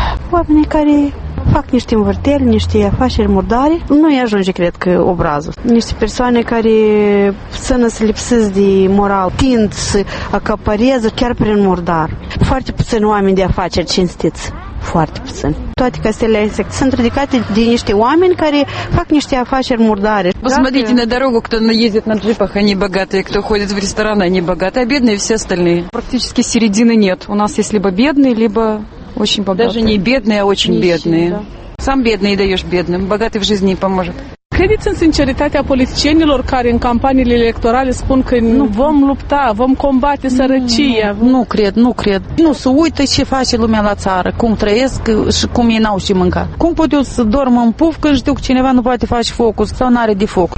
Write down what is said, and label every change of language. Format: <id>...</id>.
<ro>Oamenii care fac niște învârteli, niște afaceri murdare, nu îi ajunge, cred că, obrazul. Niște persoane care sănă să lipsesc de moral, tind să acapareze chiar prin murdar. Foarte puțini oameni de afaceri cinstiți. Foarte puțin. Toate castelele astea sunt ridicate de niște oameni care fac niște afaceri murdare.</ro> <ru>Посмотрите на дорогу, кто ездит на джипах, они богатые, кто ходит в рестораны, они богатые, а бедные все остальные. Практически середины нет. У нас есть либо бедные, либо очень богатые. Даже не бедные, а очень нищие, бедные. Да. Сам бедный и даешь бедным. Богатый в жизни не поможет.</ru> <ro>Credeți în sinceritatea politicienilor care în campaniile electorale spun că nu vom lupta, vom combate sărăcia? Nu cred. Nu, să uită ce face lumea la țară, cum trăiesc și cum ei n-au și mânca. Cum pot eu să dorm în puf când știu că cineva nu poate face focus sau nu are de foc?</ro>